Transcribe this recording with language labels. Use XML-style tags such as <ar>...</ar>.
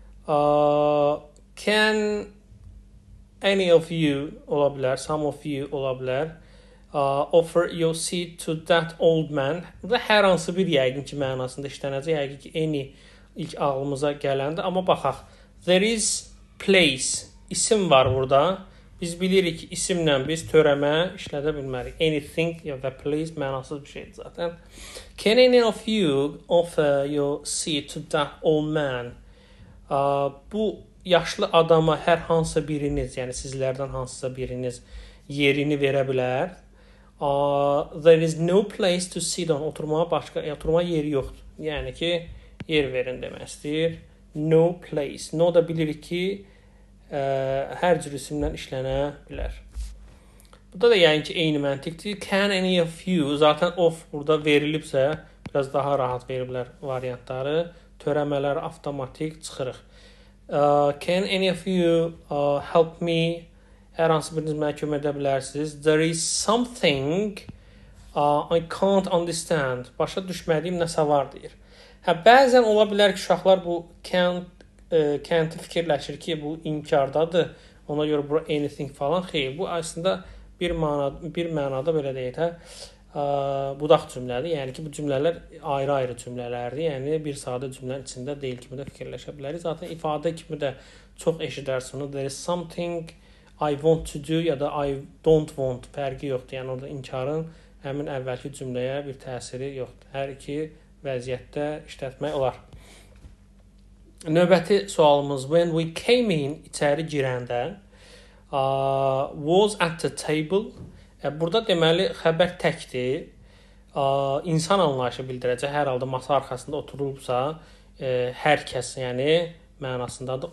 <en>Can any of you</en> <az>ola bilər,</az> <en>some of you ola bilər, offer your seat to that old man?</en> <az>Bu da hər hansı bir yəqin ki, mənasında işlənəcək, yəqin ki, any ilk ağlımıza gələndir. Amma baxaq,</az> <en>there is place,</en> <az>isim var burada. Biz bilirik ki, isimlə biz törəmə işlədə bilmərik. Anything ya da please mənasız bir şeydir zaten.</az> <en>Can any of you offer your seat to that old man?</en> <az>Bu yaşlı adama hər hansı biriniz, yəni sizlərdən hansısa biriniz yerini verə bilər?</az> <en>There is no place to sit on.</en> <az>Oturmağa başqa, oturma yeri yoxdur. Yəni ki, yer verin deməkdir.</az> <en>No place.</en> <az>No da bilirik ki, hər cür isimdən işlənə bilər. Bu da yəni ki, eyni məntiqdir.</az> <en>Can any of you,</en> <az>zaten of burada verilibsə, biraz daha rahat veriblər variantları. Törəmələr avtomatik çıxırıq.</az> <en>Can any of you help me?</en> <az>Hər hansı biriniz mənə kömək edə bilərsiniz.</az> <en>There is something I can't understand.</en> <az>Başa düşmədiyim nəsə var deyir. Hə, bəzən ola bilər ki, uşaqlar bu can't fikirləşir ki, bu inkardadır. Ona görə bura anything falan xeyir. Bu, aslında bir mənada belə deyək, budaq cümlədir. Yəni ki, bu cümlələr ayrı-ayrı cümlələrdir. Yəni, bir sadə cümlənin içində deyil kimi də fikirləşə bilərik. Zaten ifadə kimi də çox eşidərsiniz.</az> <en>There is something I want to do</en> <az>ya da</az> <en>I don't want</en> <az>fərqi yoxdur. Yəni, orada inkarın həmin əvvəlki cümləyə bir təsiri yoxdur. Hər iki vəziyyətdə işlətmək olar. Növbəti sualımız,</az> <en>when we came in,</en> <az>içəri girəndə,</az> <en>was at the table.</en> <az>Burada deməli, xəbər təkdir. İnsan anlayışı bildirəcək, hər halda masa arxasında oturulubsa, hər kəs, yəni, mənasındadır.</az>